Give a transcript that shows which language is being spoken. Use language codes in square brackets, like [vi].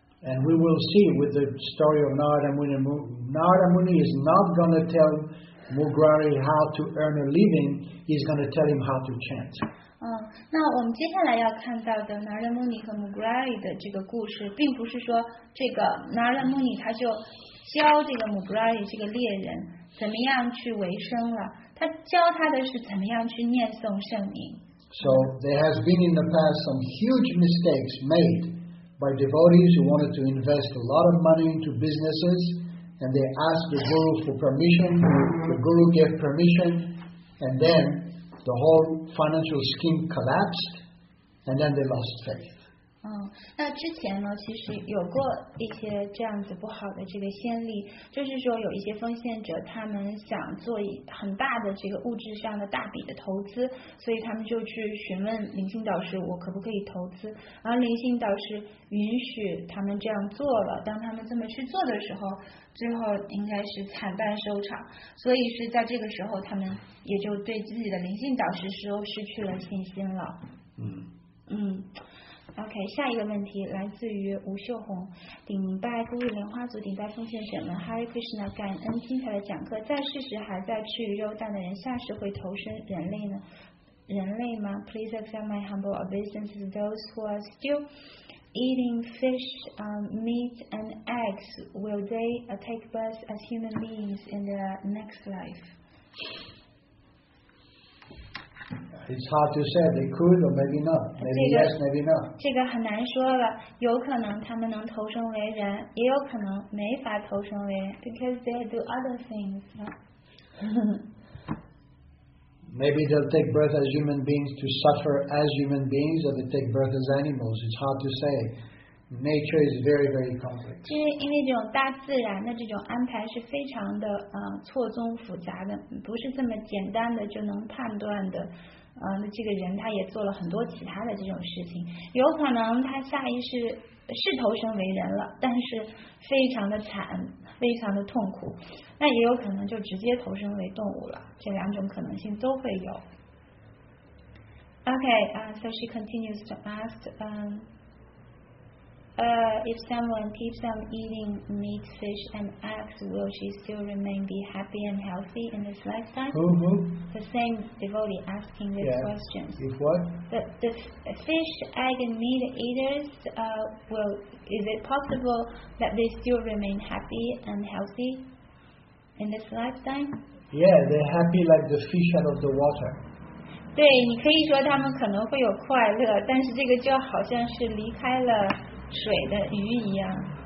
[en] And we will see with the story of Narada Muni. Narada Muni is not going to tell Mugrari how to earn a living. He's going to tell him how to chant. [zh] 那我们接下来要看到的 Narada Muni 和 Mugrari 的这个故事，并不是说这个 Narada Muni 他就教这个 Mugrari 这个猎人怎么样去维生了，他教他的是怎么样去念诵圣名。 [en] So there has been in the past some huge mistakes made by devotees who wanted to invest a lot of money into businesses, and they asked the guru for permission. The guru gave permission, and then the whole financial scheme collapsed, and then they lost faith. [zh] 那之前呢，其实有过一些这样子不好的这个先例，就是说有一些奉献者，他们想做很大的这个物质上的大笔的投资，所以他们就去询问灵性导师，我可不可以投资？而灵性导师允许他们这样做了。当他们这么去做的时候，最后应该是惨败收场。所以是在这个时候，他们也就对自己的灵性导师说失去了信心了。 OK， 下一个问题来自于吴秀红，顶拜孤立莲花组，顶拜奉献者们 ，Hare Krishna， 感恩精彩的讲课。在世时还在吃鱼肉蛋的人，下世会投身人类呢？人类吗 [en] ？Please accept my humble obeisances. Those who are still eating fish, meat, and eggs, will they take birth as human beings in their next life? It's hard to say. They could, or maybe not. Maybe yes, maybe not. [zh] 这个很难说了。有可能他们能投身为人，也有可能没法投身为人 ， [en] because they do other things. Maybe they'll take birth as human beings to suffer as human beings, or they take birth as animals. It's hard to say. Nature is very, very complex. [zh] 就是因为这种大自然的这种安排是非常的错综复杂的，不是这么简单的就能判断的。那这个人他也做了很多其他的这种事情，有可能他下意识是投生为人了，但是非常的惨，非常的痛苦，那也有可能就直接投生为动物了，这两种可能性都会有。 [en] OK, so she continues to ask, if someone keeps on eating meat, fish, and eggs, will she still remain be happy and healthy in this lifetime? Who? The same devotee asking this question. If what? The fish, egg, and meat eaters, is it possible that they still remain happy and healthy in this lifetime? Yeah, they're happy like the fish out of the water. [zh] 对，你可以说他们可能会有快乐，但是这个就好像是离开了水的鱼一样。